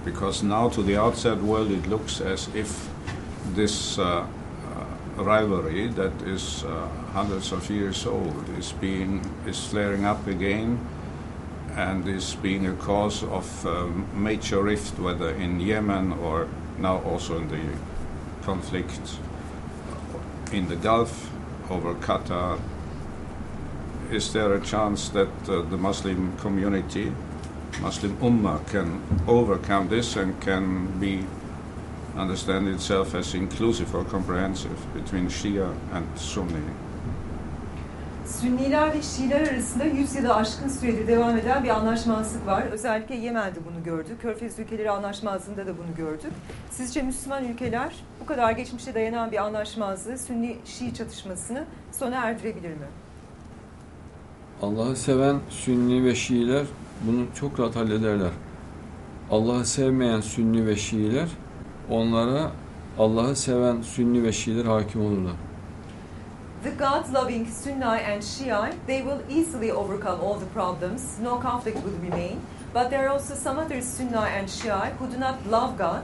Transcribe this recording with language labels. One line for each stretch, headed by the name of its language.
English: Because now to the outside world it looks as if this rivalry that is hundreds of years old is flaring up again and is being a cause of major rift, whether in Yemen or now also in the conflict in the Gulf over Qatar. Is there a chance that the Muslim community, Muslim Ummah, can overcome this and can be understand itself as inclusive or comprehensive between Shia and Sunni?
Turkish: Sünniler ve Şiiler arasında 100 yılı aşkın süredir devam eden bir anlaşmazlık var. Özellikle Yemen'de bunu gördük. Körfez ülkeleri anlaşmazlığında da bunu gördük. Sizce Müslüman ülkeler bu kadar geçmişe dayanan bir anlaşmazlığı, Sünni-Şii çatışmasını sona erdirebilir mi? Allah'ı seven Sünni ve Şiiler bunu çok rahat hallederler. Allah'ı sevmeyen Sünni ve Şiiler, onlara Allah'ı seven Sünni ve Şiiler hakim olurlar.
English: The God-loving Sunni and Shia, they will easily overcome all the problems. No conflict will remain. But there are also some other Sunni and Shia who do not love God.